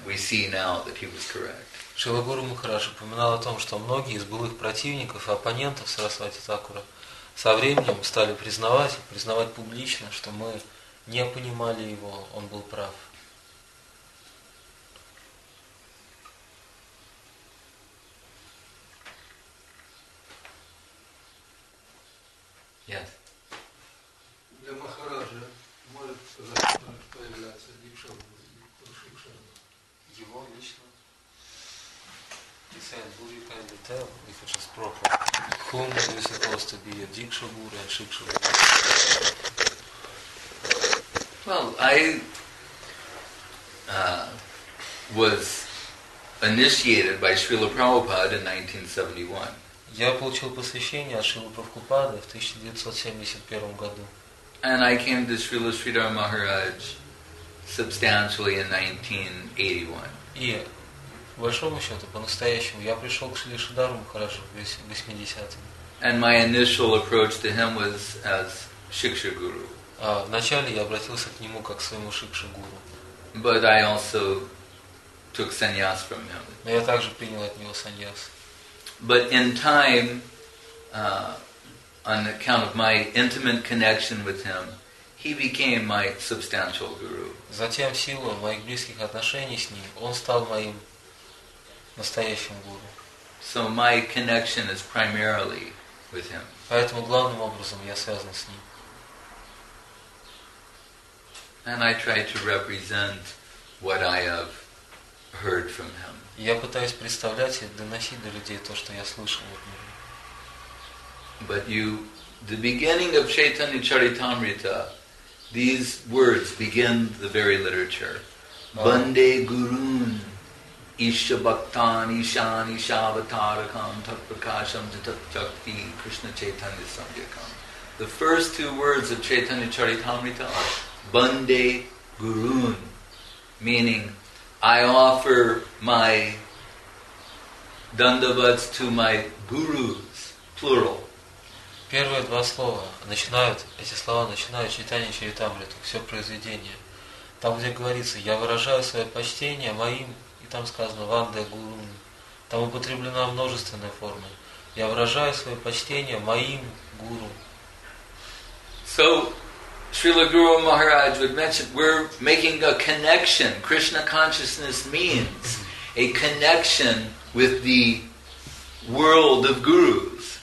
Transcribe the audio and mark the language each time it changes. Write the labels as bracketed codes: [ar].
[en] We see now that he was correct. [ru] Srila Guru Maharaj упоминал о том, что многие из былых противников и оппонентов Сарасвати Такура со временем стали признавать публично, что мы не понимали его, он был прав. [en] Yes. [ru] Для Махараджа может появляться дикша или куршикша? Его лично? [en] Besides, will you kindly tell if it is proper? Whom is it supposed to be, a dikshu guru and shikshu guru? Well, I was initiated by Srila Prabhupada in 1971. [ru] Я получил посвящение от Шрилы Прабхупады в 1971 году. [en] And I came to Srila Sridhara Maharaj substantially in 1981. [ru] И, по большому счету, по-настоящему, я пришел к Шриле Шридхару Махараджу в 80-м. [en] And my initial approach to him was as Shiksha Guru. [ru] Вначале я обратился к нему как к своему шикша гуру. [en] But I also took sannyas from him. [ru] Но я также принял от него sannyas. [en] But in time, on account of my intimate connection with him, he became my substantial guru. [ru] Затем в силу моих близких отношений с ним, он стал моим настоящим гуру. [en] So my connection is primarily with him. [ru] Поэтому главным образом я связан с ним. [en] And I try to represent what I have heard from him. [ru] Я пытаюсь представлять и доносить до людей то, что я слышал от него. [en] But the beginning of Chaitanya Charitamrita, these words begin the very literature. [sa] Bande Gurun Isha Bhaktan Ishan Ishavatarakam Tatprakasham Jatatchakti Krishna Chaitanya Samyakam. [en] The first two words of Chaitanya Charitamrita are Bande Gurun, meaning I offer my dandavats to my gurus, plural. [ru] Первые два слова начинают, эти слова начинают читание Чаритамриту, все произведение. Там, где говорится, я выражаю свое почтение моим, и там сказано Ванде Гурун, там употреблена множественная форма. Я выражаю свое почтение моим гуру. [en] So, Srila Guru Maharaj would mention, we're making a connection. Krishna consciousness means a connection with the world of gurus.